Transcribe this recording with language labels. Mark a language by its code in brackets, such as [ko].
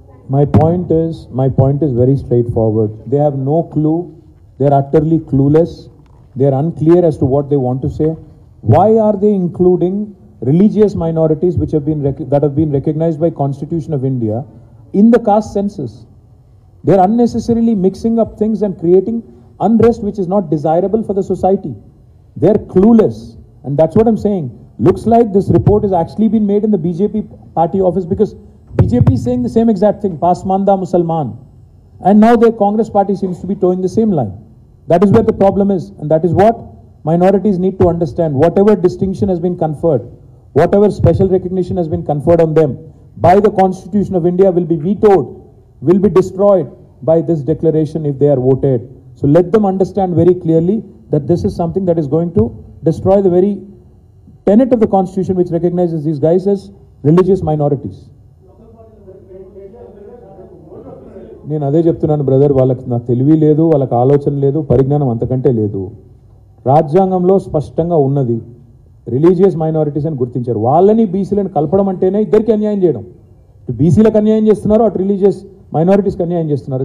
[en] My point is very straightforward. They have no clue, they are utterly clueless. They are unclear as to what they want to say. Why are they including religious minorities which have been recognized by Constitution of India in the caste census? They are unnecessarily mixing up things and creating unrest which is not desirable for the society. They are clueless, and that's what I'm saying. Looks like this report has actually been made in the BJP party office, because BJP is saying the same exact thing, Pasmanda Musalman, and now their Congress party seems to be towing the same line. That is where the problem is, and that is what minorities need to understand. Whatever distinction has been conferred, whatever special recognition has been conferred on them by the Constitution of India will be vetoed, will be destroyed by this declaration if they are voted. So let them understand very clearly that this is something that is going to destroy the very tenet of the Constitution which recognizes these guys as religious minorities. [te] నేను అదే చెప్తున్నాను brother, వాళ్ళకి నా తెలివి లేదు, వాళ్ళకి ఆలోచన లేదు, పరిజ్ఞానం అంతకంటే లేదు. రాజ్యాంగంలో స్పష్టంగా ఉన్నది [en] religious minorities [te] అని గుర్తించారు. వాళ్ళని బీసీలను కలపడం అంటేనే ఇద్దరికి అన్యాయం చేయడం. ఇటు బీసీలకు అన్యాయం చేస్తున్నారు, అటు [en] religious మైనారిటీస్కి [te] అన్యాయం చేస్తున్నారు.